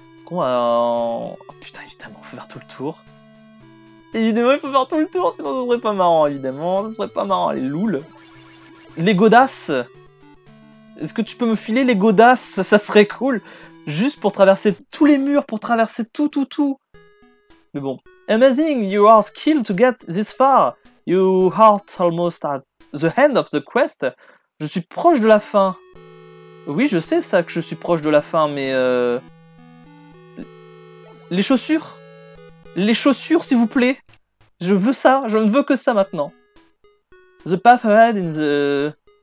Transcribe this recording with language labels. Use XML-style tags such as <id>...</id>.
<fr>Oh putain, évidemment, on peut faire tout le tour. Évidemment, il faut faire tout le tour, sinon ce serait pas marrant, évidemment. Ce serait pas marrant, les louls. Les godasses. Est-ce que tu peux me filer les godasses? Ça serait cool. Juste pour traverser tous les murs, pour traverser tout, tout, tout. Mais bon.</fr> <en>Amazing, you are skilled to get this far. You are almost at the end of the quest.</en> <fr>Je suis proche de la fin. Oui, je sais ça, que je suis proche de la fin, mais... Les chaussures? Les chaussures, s'il vous plaît. Je veux ça. Je ne veux que ça, maintenant.</fr> <en>The path ahead in the...</en>